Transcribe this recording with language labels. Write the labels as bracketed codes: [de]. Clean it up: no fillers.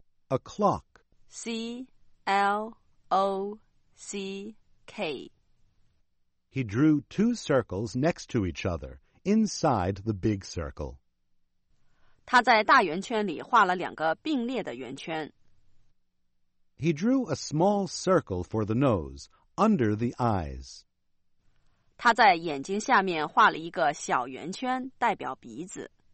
[en] A clock C-L-O-C-K He drew two circles next to each other inside the big circle [zh] 他在大圆圈里画了两个并列的圆圈 [en] He drew a small circle for the nose under the eyes [zh] 他在眼睛下面画了一个小圆圈代表鼻子